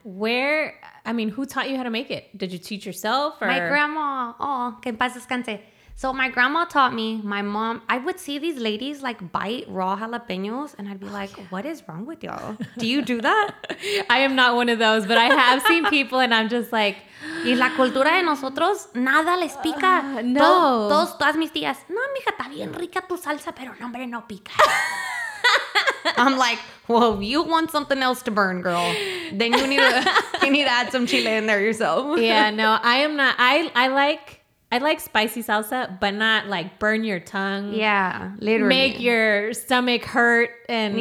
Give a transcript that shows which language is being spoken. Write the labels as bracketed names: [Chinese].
[English] Where, I mean, who taught you how to make it? Did you teach yourself or? My grandma. [Spanish] Oh, que en paz descanse. [English] So my grandma taught me, my mom, I would see these ladies like bite raw jalapenos and I'd be like, what is wrong with y'all? Do you do that? I am not one of those, but I have seen people and I'm just like. [Spanish] Y la cultura de nosotros, nada les pica. No. Todas mis tías, no, mija, está bien rica tu salsa, pero no, hombre, no pica. [English] I'm like, well, if you want something else to burn, girl, then you need to add some chile in there yourself. Yeah, no, I am not. I like spicy salsa, but not like burn your tongue. Yeah, literally. Make your stomach hurt and